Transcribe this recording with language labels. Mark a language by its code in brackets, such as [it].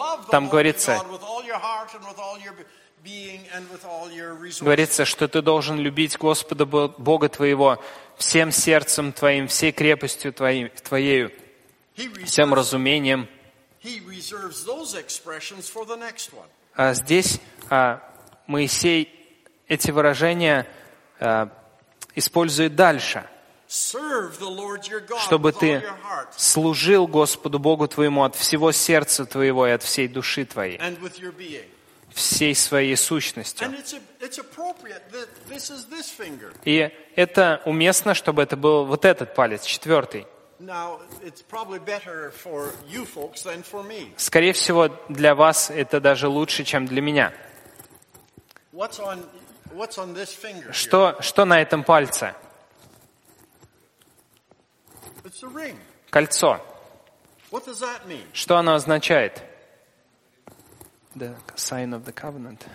[ru] Там говорится, что ты должен любить Господа Бога твоего всем сердцем твоим, всей крепостью твоею, всем разумением. [en] He reserves those expressions for the next one. [ru] Здесь Моисей эти выражения использует дальше. [en] Serve the Lord your God. [ru] Чтобы ты служил Господу Богу твоему от всего сердца твоего и от всей души твоей. [en] And with your being. [ru] Всей своей сущностью. [en] And it's appropriate that this is this finger. [ru] И это уместно, чтобы это был вот этот палец, четвертый. [en] Now it's probably better for you folks than for me. [ru] Скорее всего, для вас это даже лучше, чем для меня. [en] What's on this finger? [ru] Что на этом пальце? [en] It's a ring. [ru] Кольцо. [en] What does that mean? [ru] Что оно означает? [en] The sign of the covenant.